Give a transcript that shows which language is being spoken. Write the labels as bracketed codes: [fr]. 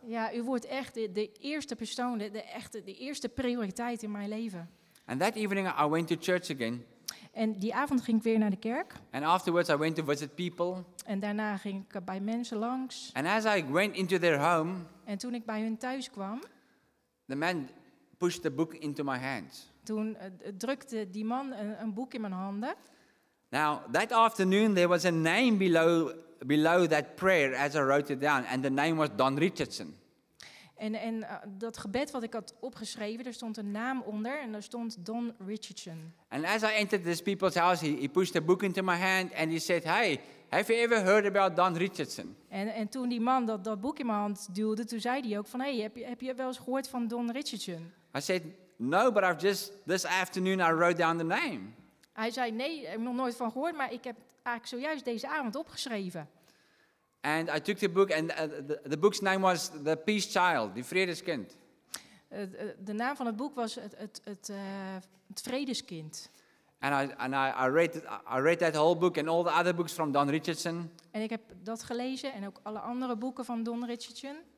[nl] Ja, u wordt echt de eerste persoon, de eerste prioriteit in mijn leven. [en] And that evening I went to church again. [nl] En die avond ging ik weer naar de kerk. [en] And afterwards I went to visit people. [nl] En daarna ging ik bij mensen langs. [en] And as I went into their home. [nl] En toen ik bij hun thuis kwam. [en] The man pushed the book into my hands. [nl] Toen drukte die man een boek in mijn handen. [en] Now, that afternoon there was a name below that prayer as I wrote it down. And the name was Don Richardson. [nl] En dat gebed wat ik had opgeschreven, er stond een naam onder en daar stond Don Richardson. [en] And as I entered this people's house, he pushed a book into my hand and he said, hey, have you ever heard about Don Richardson? [nl] En toen die man dat boek in mijn hand duwde, toen zei hij ook van, hey, heb je wel eens gehoord van Don Richardson? [en] I said, no, but I've just, this afternoon I wrote down the name. [nl] Hij zei, nee, ik heb nog nooit van gehoord, maar ik heb eigenlijk zojuist deze avond opgeschreven. [en] And I took the book and the book's name was The Peace Child, [af] die vredeskind. [nl] De naam van het boek was het vredeskind. [en] And I read that whole book and all the other books from Don Richardson. [nl] En ik heb dat gelezen en ook alle andere boeken van Don Richardson.